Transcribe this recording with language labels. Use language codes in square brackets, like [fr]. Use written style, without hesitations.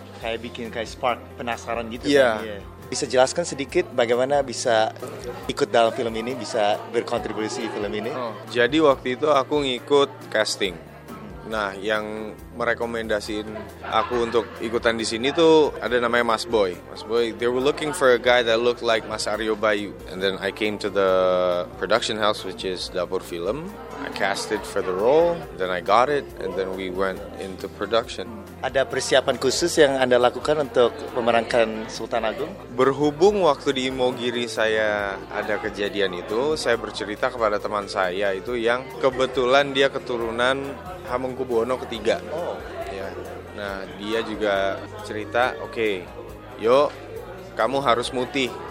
[id] Kayak bikin kayak spark penasaran gitu. Bisa jelaskan sedikit bagaimana bisa ikut dalam film ini, bisa berkontribusi film ini? Jadi waktu itu aku ngikut casting. Nah, yang merekomendasiin aku untuk ikutan di sini tuh ada namanya Mas Boy. [en] Mas Boy, they were looking for a guy that looked like Mas Aryo Bayu. And then I came to the production house, which is Dapur Film. I casted for the role, then I got it, and then we went into production. [id] Ada persiapan khusus yang Anda lakukan untuk memerankan Sultan Agung? Berhubung waktu di Imogiri saya ada kejadian itu, saya bercerita kepada teman saya itu yang kebetulan dia keturunan Hamengkubuwono III. Nah, dia juga cerita, okay, yuk, kamu harus mutih.